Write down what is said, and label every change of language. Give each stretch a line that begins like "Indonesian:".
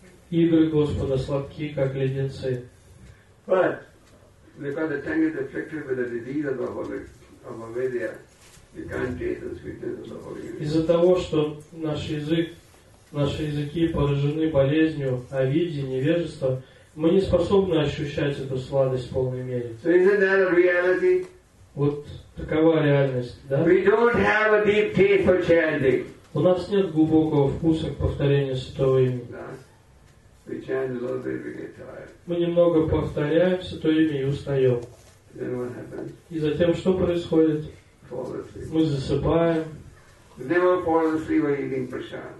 Russian: Игры Господа сладки, как леденцы.
English: But because the tongue is afflicted with the disease of the Holy of Avidya, you can't taste the sweetness of the Holy Name.
Russian: Из-за того, что наши языки поражены болезнью Авидьи, невежества, мы не способны ощущать эту сладость в полной мере.
English: So isn't that a reality?
Russian: Вот такова реальность, да?
English: We don't have a deep taste for chanting.
Russian: У нас нет глубокого вкуса к повторению святого имени.
English: We chant a little bit, we get tired.
Russian: Мы немного повторяем святое имя и устаем.
English: Then what happens?
Russian: И затем что происходит?
English: Fall asleep.
Russian: Мы засыпаем.
English: Never fall asleep while eating prasad.